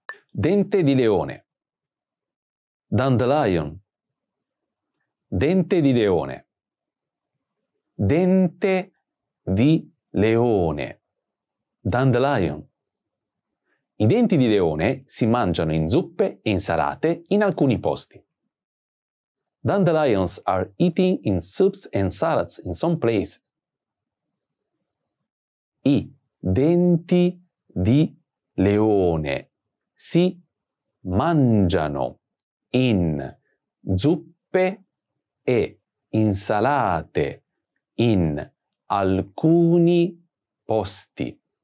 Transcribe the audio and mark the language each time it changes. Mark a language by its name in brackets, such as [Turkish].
[Italian] Dente di leone. Dandelion. Dente di leone. Dente di leone. Dandelion. I denti di leone si mangiano in zuppe e insalate in alcuni posti. [English] Dandelions are eaten in soups and salads in some places. [Italian] I denti di leone si mangiano in zuppe e insalate in alcuni posti.